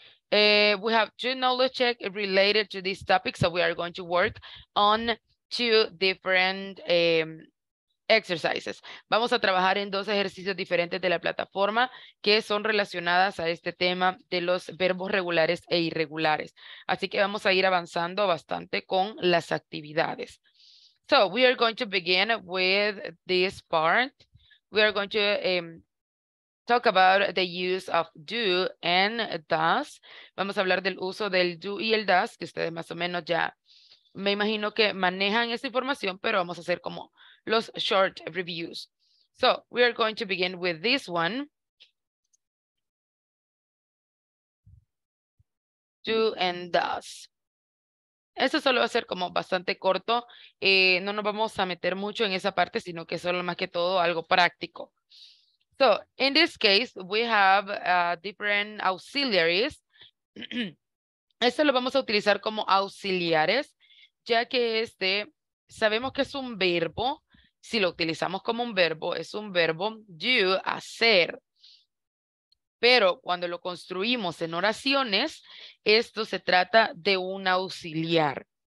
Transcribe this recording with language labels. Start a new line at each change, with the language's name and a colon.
English: We have two knowledge checks related to this topic, so we are going to work on two different exercises.
Spanish: Vamos a trabajar en dos ejercicios diferentes de la plataforma que son relacionadas a este tema de los verbos regulares e irregulares. Así que vamos a ir avanzando bastante con las actividades.
English: So we are going to begin with this part. We are going to talk about the use of do and does.
Spanish: Vamos a hablar del uso del do y el does, que ustedes más o menos ya me imagino que manejan esa información, pero vamos a hacer como los
English: short reviews. So we are going to begin with this one. Do and does.
Spanish: Eso solo va a ser como bastante corto. No nos vamos a meter mucho en esa parte, sino que solo más que todo algo práctico.
English: So, in this case, we have different auxiliaries.
Spanish: Esto lo vamos a utilizar como auxiliares, ya que este, sabemos que es un verbo. Si lo utilizamos como un verbo, es un verbo do, hacer. Pero cuando lo construimos en oraciones, esto se trata de un auxiliar.